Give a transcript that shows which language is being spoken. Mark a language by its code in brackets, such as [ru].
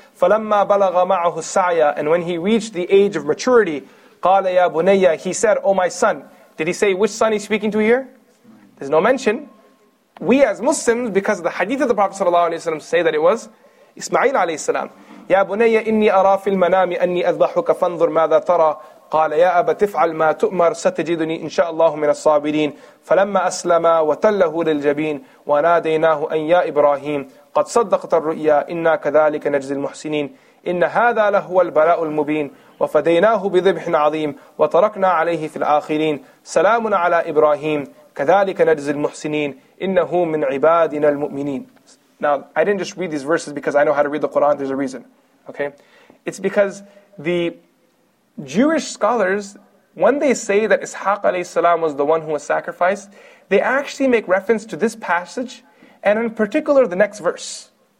[ar] فَلَمَّا بَلَغَ مَعَهُ السَّعْيَ. [en] And when he reached the age of maturity, [ar] قَالَ يَا بُنَيَّ. [en] He said, oh my son. Did he say which son he's speaking to here? There's no mention. We as Muslims, because of the hadith of the Prophet ﷺ, say that it was Ismail alayhi salam. [ar] يَا بُنَيَّ إِنِّي أَرَى فِي الْمَنَامِ أَنِّي أَذْبَحُكَ فَانْظُرْ مَاذَا تَرَى. قال يا أبا تفعل ما تؤمر ستجدني إن شاء الله من الصابرين فلما أسلم وتله للجبين وناديناه أن يا إبراهيم قد صدقت الرؤيا إنا كذلك نجزي المحسنين إن هذا لهو البلاء المبين وفديناه بذبح عظيم وتركنا عليه في الآخرين سلام على إبراهيم كذلك نجزي المحسنين إنه من عبادنا المؤمنين. [en] Now I didn't just read these verses because I know how to read the Quran. There's a reason. Okay, it's because the Jewish scholars, when they say that Ishaq alayhi salam was the one who was sacrificed, they actually make reference to this passage, and in particular the next verse.